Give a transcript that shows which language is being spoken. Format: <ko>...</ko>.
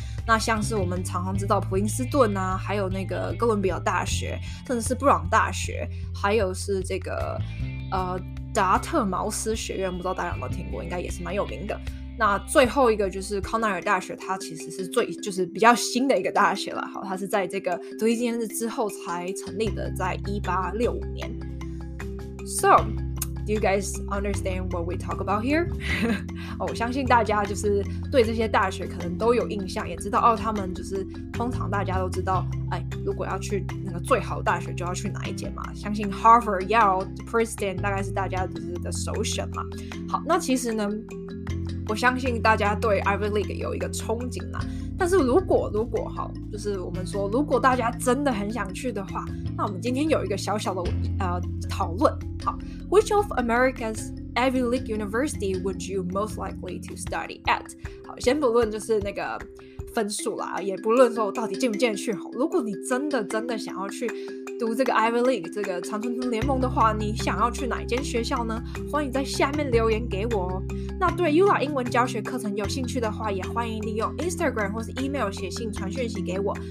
<zh>那像是我们常常知道普林斯顿啊，还有那个哥伦比亚大学，甚至是布朗大学，还有是这个达特茅斯学院，不知道大家有没有听过，应该也是蛮有名的。那最后一个就是康奈尔大学，它其实是最就是比较新的一个大学了。好，它是在这个独立纪念日之后才成立的，在1865年。</zh> <en>So, do you guys understand what we talk about here?</en> <zh>我相信大家就是对这些大学可能都有印象，也知道哦，他们就是通常大家都知道，哎，如果要去那个最好的大学，就要去哪一间嘛？相信 Harvard、Yale、Princeton 大概是大家就是的首选嘛。好，那其实呢？我相信大家对 Ivy League 有一个憧憬啦，但是如果好，就是我们说如果大家真的很想去的话，那我们今天有一个小小的讨论。</zh> <en>好， Which of America's Ivy League University would you most likely to study at?</en> <zh>好，先不论就是那个分数啦，也不论说我到底进不进去，好，如果你真的想要去读这个 Ivy League 这个常春藤联盟的话，你想要去哪间学校呢？欢迎在下面留言给我哦。那对 Ula 英文教学课程有兴趣的话，也欢迎利用 Instagram 或是 email 写信传讯息给我。</zh>